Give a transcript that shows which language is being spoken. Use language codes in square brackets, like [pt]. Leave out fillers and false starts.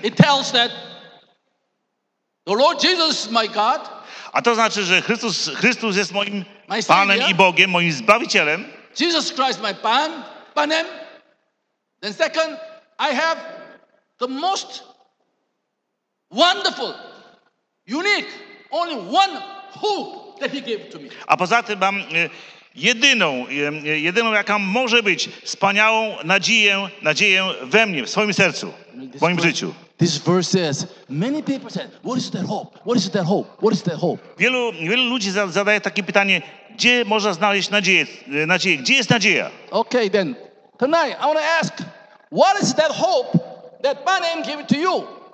[en] It tells that the Lord Jesus is my God. [pl] A to znaczy, że Chrystus jest moim Panem i Bogiem, moim Zbawicielem. [en] Jesus Christ my Panem. Then second, I have the most wonderful, unique, only one hope that he gave to me. [pl] A poza tym mam jedyną, jaka może być wspaniałą nadzieję we mnie, w swoim sercu, w moim życiu. [en] This verse says, many people said, what is their hope? What is their hope? What is their hope? [pl] Wielu ludzi zadaje takie pytanie, gdzie można znaleźć nadzieję? Gdzie jest nadzieja? [en] Okay, then. Tonight, I want to ask, what is that hope that my name gave to you?